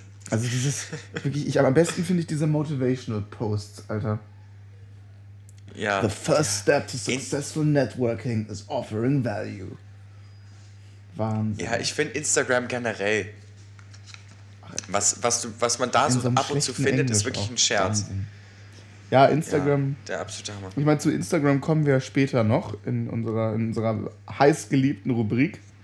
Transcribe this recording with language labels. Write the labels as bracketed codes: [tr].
[de] Also dieses, wirklich, am besten finde ich diese Motivational Posts, Alter. Ja. [en] The first step to successful networking is offering value. [de] Wahnsinn. Ja, ich finde Instagram generell, was man da so ab und zu findet, Englisch ist wirklich ein Scherz. Wahnsinn. Ja, Instagram. Ja, der absolute Hammer. Ich meine, zu Instagram kommen wir später noch in unserer heiß geliebten Rubrik.